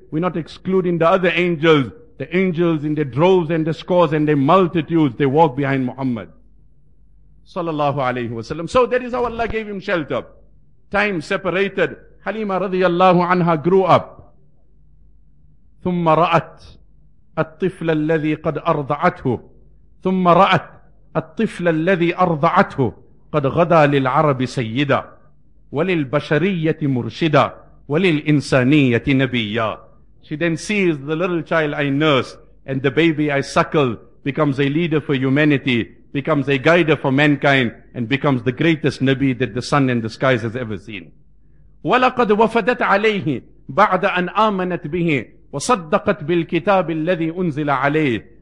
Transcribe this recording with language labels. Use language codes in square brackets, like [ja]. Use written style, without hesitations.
[en] We're not excluding the other angels. The angels in the droves and the scores and the multitudes, they walk behind Muhammad. Sallallahu alayhi wa sallam. So that is how Allah gave him shelter. Time separated. Halima radiyallahu anha grew up. [ar] ثُمَّ رَأَتْ الطفل الذي قد أرضعته ثم رأت الطفل الذي أرضعته قد غدا للعرب سيدا وللبشرية مرشدا وللإنسانية نبيا. [en] She then sees the little child I nursed and the baby I suckled becomes a leader for humanity, becomes a guider for mankind, and becomes the greatest Nabi that the sun and the skies has ever seen. [ar] ولقد وفدت عليه بعد أن آمنت به وَصَدَّقَتْ بِالْكِتَابِ الَّذِي أُنزِلَ عَلَيْهِ.